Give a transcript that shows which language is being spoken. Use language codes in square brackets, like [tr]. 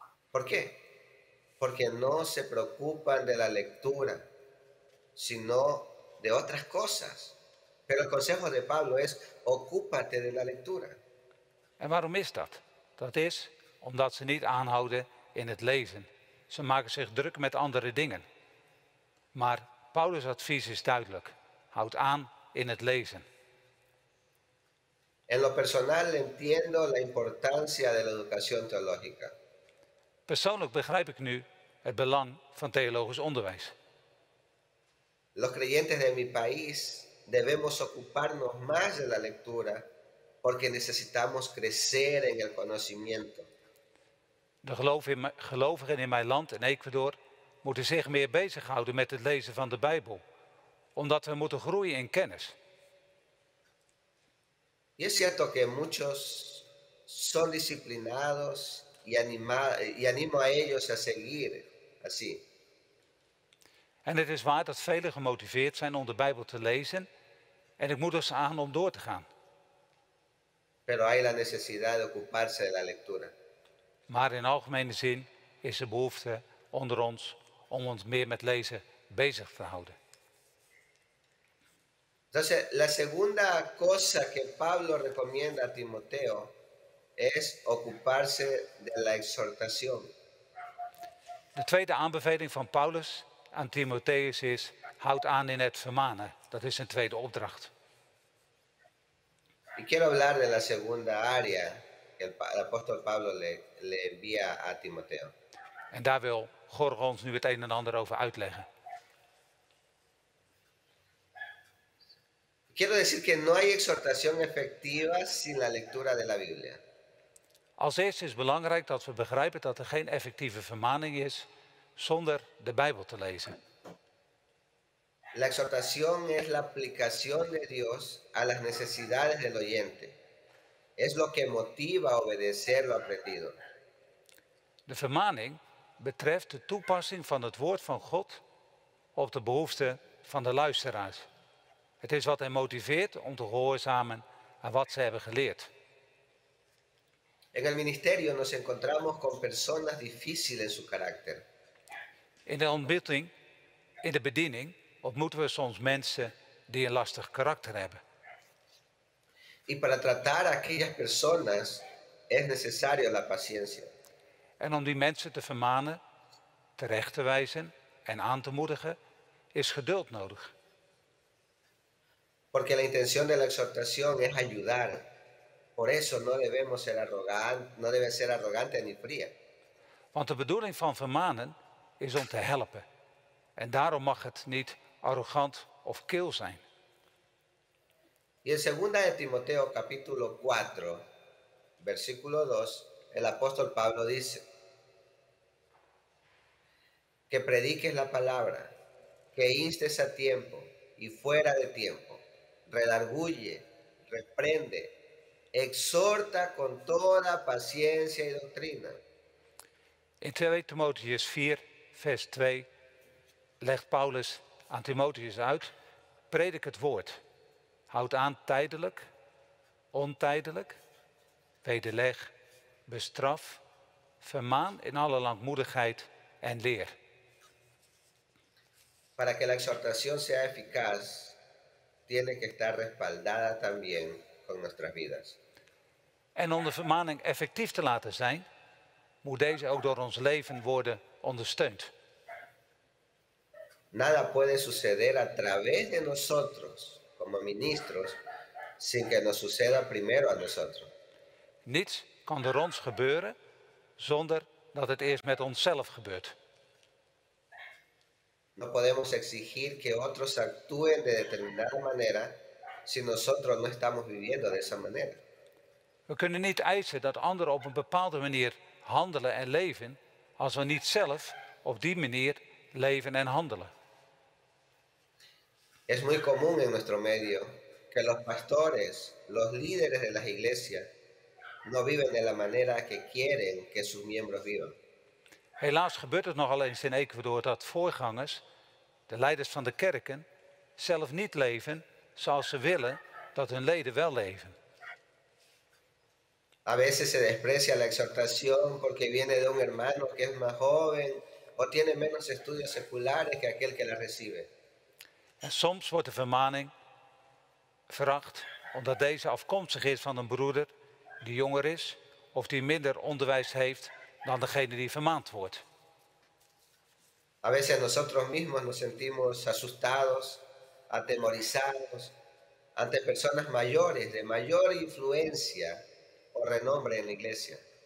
[es] ¿Por qué? Porque no se preocupan de la lectura, sino de otras cosas. Pero el consejo de Pablo es: ocúpate de la lectura. [nl] En waarom is dat? Dat is omdat ze niet aanhouden in het lezen. Ze maken zich druk met andere dingen. Maar Paulus' advies is duidelijk: houd aan in het lezen. [es] En lo personal entiendo la importancia de la educación teológica. [nl] Persoonlijk begrijp ik nu het belang van theologisch onderwijs. [es] Los creyentes de mi país debemos ocuparnos más de la lectura porque necesitamos crecer en el conocimiento. [nl] De gelovigen in mijn land, in Ecuador, moeten zich meer bezighouden met het lezen van de Bijbel, omdat we moeten groeien in kennis. [es] Y es cierto que muchos son disciplinados y animo a ellos a seguir así. [nl] En het is waar dat velen gemotiveerd zijn om de Bijbel te lezen en ik moet ze aan om door te gaan. [es] Pero hay la necesidad de ocuparse de la lectura. [nl] Maar in algemene zin is er behoefte onder ons om ons meer met lezen bezig te houden. [es] Entonces, la segunda cosa que Pablo recomienda a Timoteo es ocuparse de la exhortación. [nl] De tweede aanbeveling van Paulus aan Timoteus is: houd aan in het vermanen. Dat is zijn tweede opdracht. [es] Y quiero hablar de la segunda área que el apóstol Pablo le envía a Timoteo. [nl] En daar wil Jorge ons nu het een en ander over uitleggen. [es] Quiero decir que no hay exhortación efectiva sin la lectura de la Biblia. [nl] Als eerste is belangrijk dat we begrijpen dat er geen effectieve vermaning is zonder de Bijbel te lezen. [es] La exhortación es la aplicación de Dios a las necesidades del oyente. Es lo que motiva a obedecer lo aprendido. [nl] De vermaning betreft de toepassing van het woord van God op de behoeften van de luisteraars. Het is wat hen motiveert om te gehoorzamen aan wat ze hebben geleerd. [es] En el ministerio nos encontramos con personas difíciles en su carácter. [nl] In de ontmoeting, in de bediening, ontmoeten we soms mensen die een lastig karakter hebben. [es] Y para tratar a aquellas personas es necesario la paciencia. [nl] En om die mensen te vermanen, terecht te wijzen en aan te moedigen, is geduld nodig. [es] Porque la intención de la exhortación es ayudar. Por eso no debemos ser arrogantes, no debe ser arrogante ni fría. [nl] Want de bedoeling van vermanen is om te helpen. En daarom mag het niet arrogant of kil zijn. [es] Y en 2 de Timoteo capítulo 4, versículo 2, el apóstol Pablo dice: que prediques la palabra, que instes a tiempo y fuera de tiempo. Redarguye, reprende, exhorta con toda paciencia y doctrina. [nl] In 2 Timotheus 4, vers 2, legt Paulus aan Timotheus uit: predik het woord. Houd aan tijdelijk, ontijdelijk, wederleg, bestraf, vermaan in alle langmoedigheid en leer. [es] Para que la exhortación sea eficaz, tiene que estar respaldada también con nuestras vidas. [nl] En om de vermaning effectief te laten zijn, moet deze ook door ons leven worden ondersteund. [es] Nada puede suceder a través de nosotros como ministros sin que nos suceda primero a nosotros. [nl] Niets kan door ons gebeuren zonder dat het eerst met onszelf gebeurt. [es] No podemos exigir que otros actúen de determinada manera si nosotros no estamos viviendo de esa manera. [nl] We kunnen niet eisen dat anderen op een bepaalde manier handelen en leven als we niet zelf op die manier leven en handelen. [es] Es muy común en nuestro medio que los pastores, los líderes de las iglesias, no viven de la manera que quieren que sus miembros vivan. [nl] Helaas gebeurt het nogal eens in Ecuador dat voorgangers, de leiders van de kerken, zelf niet leven zoals ze willen dat hun leden wel leven. [es] A veces se desprecia la exhortación porque viene de un hermano que es más joven o tiene menos estudios seculares que aquel que la recibe. [nl] En soms wordt de vermaning veracht omdat deze afkomstig is van een broeder die jonger is of die minder onderwijs heeft dan degene die vermaand wordt. [es] A veces nosotros mismos nos sentimos asustados, atemorizados ante personas mayores de mayor influencia o renombre en la iglesia.